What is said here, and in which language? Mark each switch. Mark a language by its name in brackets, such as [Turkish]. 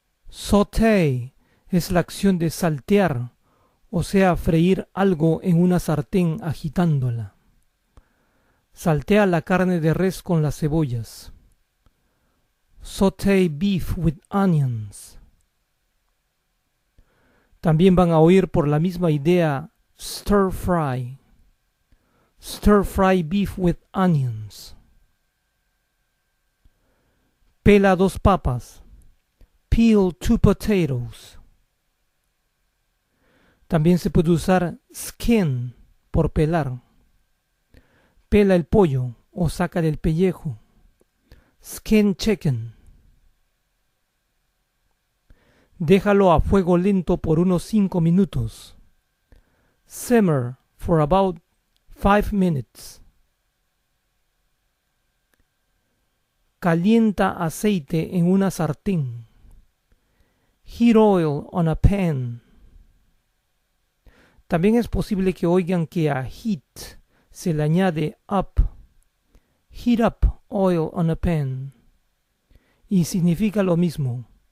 [Spanish] Sauté es la acción de saltear, o sea, freír algo en una sartén agitándola. Saltea la carne de res con las cebollas. [English] Sauté beef with onions. [Spanish] También van a oír por la misma idea stir fry. [English] Stir fry beef with onions. [Spanish] Pela dos papas. [English] Peel two potatoes. [Spanish] También se puede usar skin por pelar. Pela el pollo o saca del pellejo. [English] Skin chicken. [Spanish] Déjalo a fuego lento por unos 5 minutos. [English] Simmer for about 5 minutes. [Spanish] Calienta aceite en una sartén. [English] Heat oil on a pan. [Spanish] También es posible que oigan que a heat se le añade up. [English] Heat up oil on a pan. [Spanish] Y significa lo mismo.